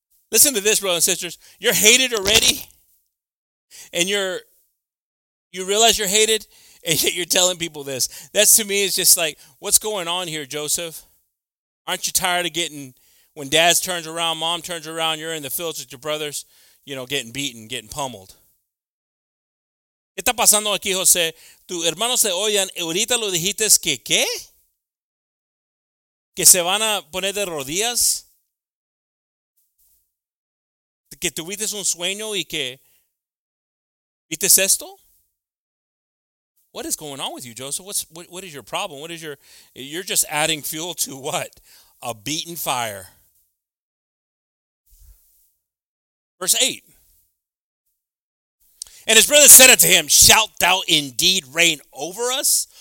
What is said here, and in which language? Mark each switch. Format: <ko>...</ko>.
<en>Listen to this, brothers and sisters. You're hated already, and you realize you're hated, and yet you're telling people this. That, to me, is just like, what's going on here, Joseph? Aren't you tired of getting, when dad turns around, mom turns around, you're in the fields with your brothers, you know, getting beaten, getting pummeled?</en> <es>¿Qué está pasando aquí, José? Tus hermanos te oyen, ahorita lo dijiste, ¿qué? ¿Qué? ¿Que se van a poner de rodillas? ¿Que tuviste un sueño y que viste esto?</es> <en>What is going on with you, Joseph? What is your problem? What is your, you're just adding fuel to what? A beaten fire. Verse 8. And his brother said unto him, shalt thou indeed reign over us?</en>